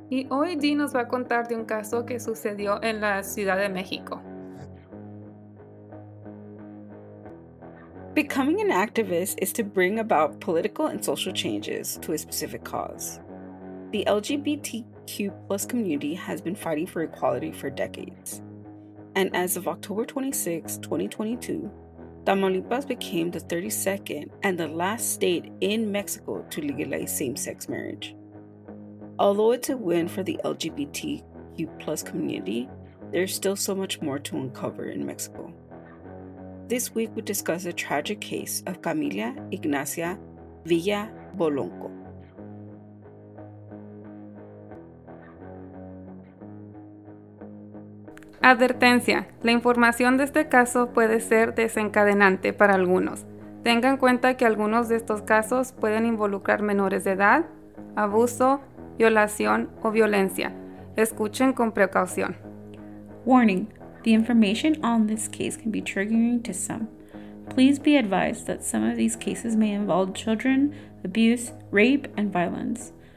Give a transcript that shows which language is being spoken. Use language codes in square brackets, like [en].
[es] Y hoy Dee nos va a contar de un caso que sucedió en la Ciudad de México. [en] Becoming an activist is to bring about political and social changes to a specific cause. The LGBTQ plus community has been fighting for equality for decades. And as of October 26, 2022, Tamaulipas became the 32nd and the last state in Mexico to legalize same-sex marriage. Although it's a win for the LGBTQ plus community, there's still so much more to uncover in Mexico. This week, we discuss the tragic case of Camila Ygnacia Villa Bolocco. [es] Advertencia, la información de este caso puede ser desencadenante para algunos. Tenga en cuenta que algunos de estos casos pueden involucrar menores de edad, abuso, violación o violencia. Escuchen con precaución. [en] Warning, the information on this case can be triggering to some. Please be advised that some of these cases may involve children, abuse, rape, and violence.